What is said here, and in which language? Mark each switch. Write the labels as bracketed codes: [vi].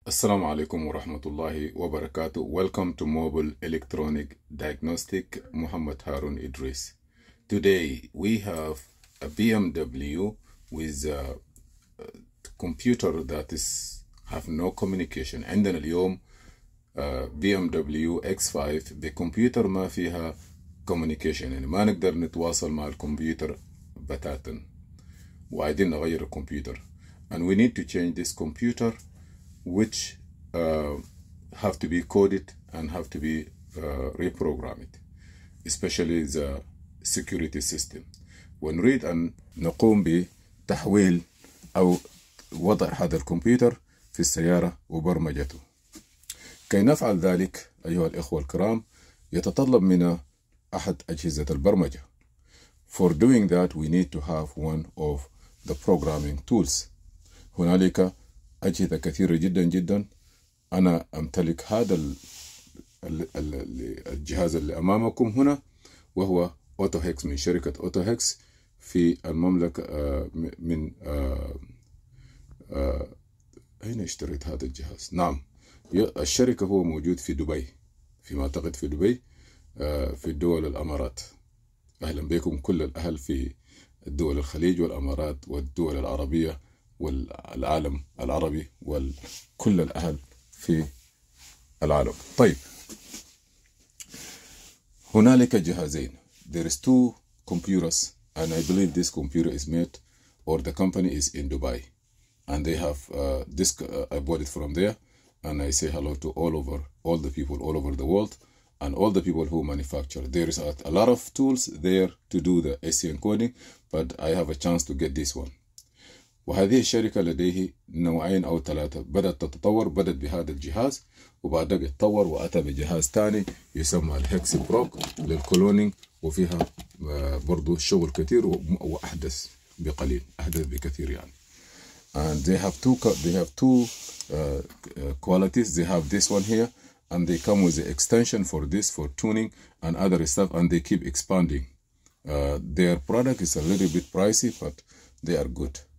[ar] السلام عليكم ورحمة الله وبركاته. [en] Welcome to Mobile Electronic Diagnostic Muhammad Harun Idris. Today we have a BMW with a computer that is have no communication. [ar] عندنا اليوم BMW X5 بكمبيوتر ما فيها communication, يعني ما نقدر نتواصل مع الكمبيوتر بتاتا, وعايزين نغير الكمبيوتر. [en] And we need to change this computer, which have to be coded and have to be reprogrammed, especially the security system. [ar] ونريد أن نقوم بتحويل أو وضع هذا الكمبيوتر في السيارة وبرمجته. كي نفعل ذلك أيها الإخوة الكرام, يتطلب منا أحد أجهزة البرمجة. [en] For doing that, we need to have one of the programming tools. [ar] هنالك أجهزة كثيرة جدا جدا. أنا أمتلك هذا الجهاز اللي أمامكم هنا, وهو AutoHex من شركة AutoHex في المملكة. من أين اشتريت هذا الجهاز؟ نعم, الشركة هو موجود في دبي, فيما أعتقد في دبي في دول الأمارات. أهلا بكم كل الأهل في دول الخليج والأمارات والدول العربية والعالم العربي وكل الأهل في العالم. طيب, هنالك جهازين. [en] There is two computers, and I believe this computer is made or the company is in Dubai, and they have this. I bought it from there, and I say hello to all the people all over the world, and all the people who manufacture. There is a lot of tools there to do the AC encoding, but I have a chance to get this one. [ar] وهذه الشركة لديه نوعين أو ثلاثة. بدأت تتطور, بدأت بهذا الجهاز, وبعدها تطور وأتى بجهاز ثاني يسمى الهكس بروك للكلونينج, وفيها برضو شغل كثير وأحدث بقليل, أحدث بكثير يعني. [en] And they have two qualities. They have this one here, and they come with the extension for this for tuning and other stuff, and they keep expanding. Their product is a little bit pricey, but they are good.